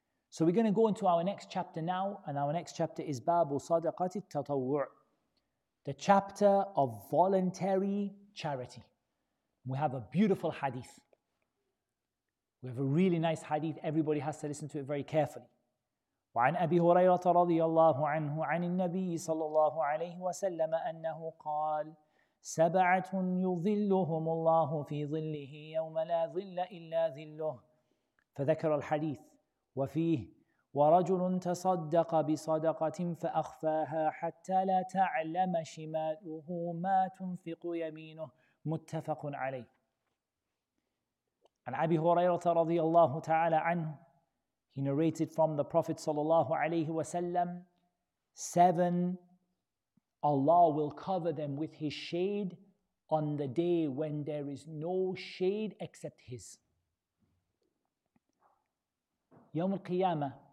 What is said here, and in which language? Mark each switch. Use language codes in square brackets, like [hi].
[en] So we're going to go into our next chapter now, and our next chapter is Babu Sadaqati Tatawwu', the chapter of voluntary charity. We have a beautiful hadith. We have a really nice hadith. Everybody has to listen to it very carefully. [ar] وعن أبي هريرة رضي الله عنه عن النبي صلى الله عليه وسلم أنه قال سبعة يظلهم الله في ظله يوم لا ظل إلا ظله. فذكر الحديث وفيه ورجل تصدق بصدقة فأخفاها حتى لا تعلم شماله ما تنفق يمينه متفق عليه. عن أبي هريرة رضي الله تعالى عنه. [en] He narrated from the Prophet [ar] صلى الله عليه وسلم. [en] Seven, Allah will cover them with His shade on the day when there is no shade except His. [ar] يوم القيامة.